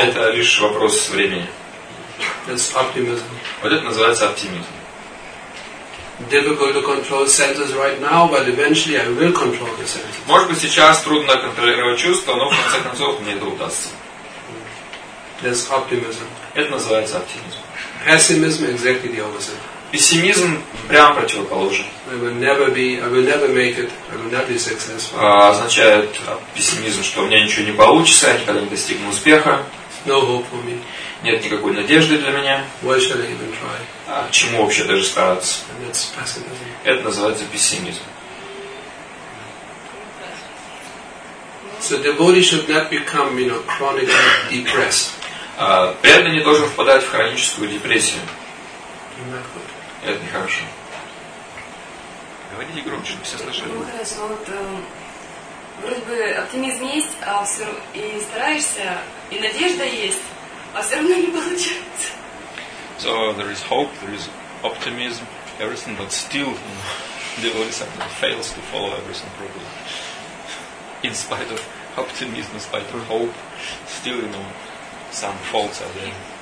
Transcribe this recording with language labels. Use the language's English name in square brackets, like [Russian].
[Russian] Это лишь вопрос времени. [English] That's optimism. [Russian] Вот это называется оптимизм. [English] Difficult to control senses right now, but eventually I will control the senses. [Russian] Может быть, сейчас трудно контролировать чувства, но в конце концов мне это удастся. [English] That's optimism. [Russian] Это называется оптимизм. [English] Pessimism is exactly the opposite. [Russian] Пессимизм прямо противоположен. [English] I will never make it. I will not be successful. [Russian] Означает пессимизм, что у меня ничего не получится, я никогда не достигну успеха. [English] No hope for me. [Russian] нет никакой надежды для меня. [English] Why should I even try? [Russian] А чему вообще даже стараться? [English] And that's pessimism. [Russian] Это называется пессимизм. [English] So the body should not become, you know, chronically depressed. [Russian] Преданный не должен впадать в хроническую депрессию. Это нехорошо. Говорите громче, все слышали. Ну хорошо, вот вроде бы оптимизм есть, а все и стараешься, и надежда есть, а все равно не получается. [English] So there is hope, there is optimism, everything, but still, you know, the body somehow fails to follow everything properly. In spite of optimism, in spite of hope, still, you know, some faults are there.